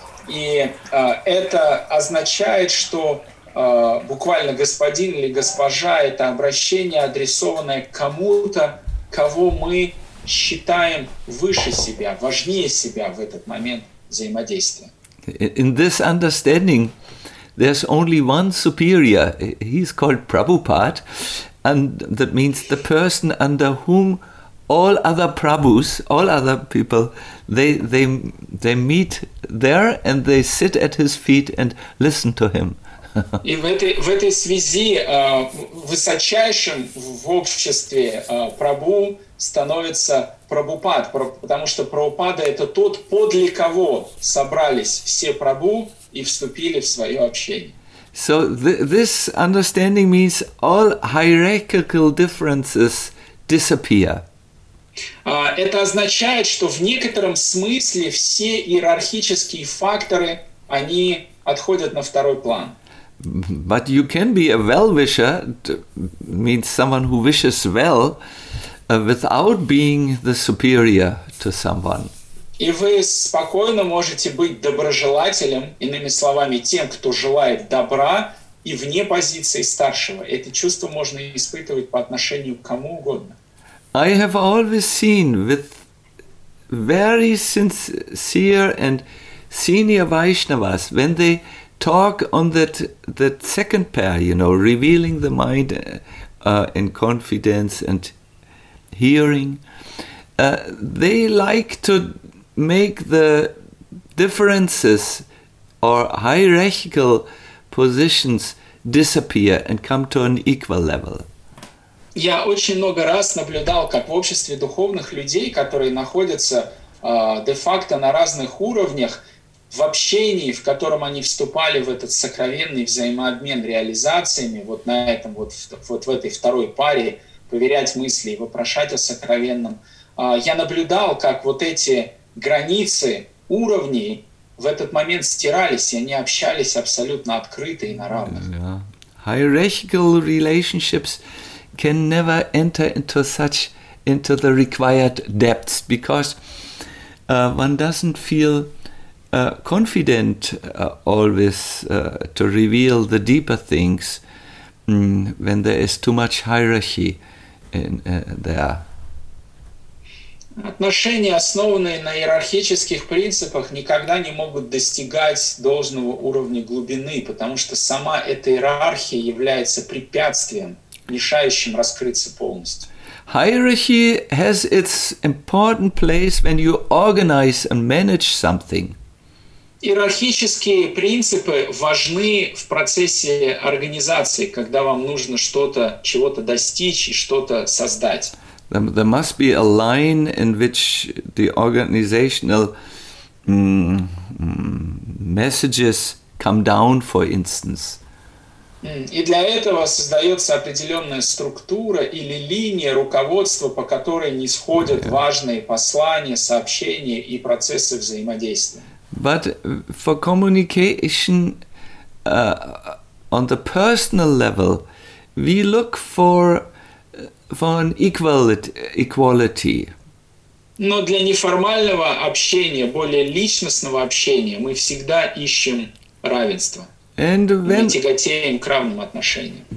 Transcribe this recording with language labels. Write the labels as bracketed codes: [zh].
[ru] И это означает, что буквально «господин» или «госпожа» — это обращение, адресованное кому-то, кого мы считаем выше себя, важнее себя в этот момент взаимодействия. [en] In this understanding, there's only one superior. He's called Prabhupada, and that means the person under whom all other Prabhus, all other people, they meet there and they sit at his feet and listen to him. [ru] И в этой связи высочайшим в обществе Прабху становится Прабхупад, потому что Прабхупада — это тот, подле кого собрались все Прабху и вступили в свое общение. [en] So this understanding means all hierarchical differences disappear. [ru] Это означает, что в некотором смысле все иерархические факторы, они отходят на второй план. [en] But you can be a well-wisher, means someone who wishes well, without being the superior to someone. [ru] И вы спокойно можете быть доброжелателем, иными словами, тем, кто желает добра, и вне позиции старшего. Это чувство можно испытывать по отношению к кому угодно. [en] I have always seen with very sincere and senior Vaishnavas, when they talk on that second pair, you know, revealing the mind in confidence and hearing, they like to make the differences or hierarchical positions disappear and come to an equal level. [ru] Я очень много раз наблюдал, как в обществе духовных людей, которые находятся де-факто на разных уровнях, в общении, в котором они вступали в этот сокровенный взаимообмен реализациями, вот на этом, вот в этой второй паре, поверять мысли и вопрошать о сокровенном, я наблюдал, как вот эти границы уровней в этот момент стирались, и они общались абсолютно открыто и на равных. [en] Yeah. Hierarchical relationships can never enter into the required depths, because one doesn't feel confident always to reveal the deeper things when there is too much hierarchy in there. [ru] Отношения, основанные на иерархических принципах, никогда не могут достигать должного уровня глубины, потому что сама эта иерархия является препятствием, мешающим раскрыться полностью. [en] Hierarchy has its important place when you organize and manage something. [ru] Иерархические принципы важны в процессе организации, когда вам нужно что-то, чего-то достичь и что-то создать. [en] There must be a line in which the organizational messages come down, for instance. [ru] И для этого создается определенная структура или линия руководства, по которой нисходят важные послания, сообщения и процессы взаимодействия. [en] But for communication on the personal level, we look for an equality. [ru] Но для неформального общения, более личностного общения, мы всегда ищем равенство. Мы тяготеем к равным отношениям.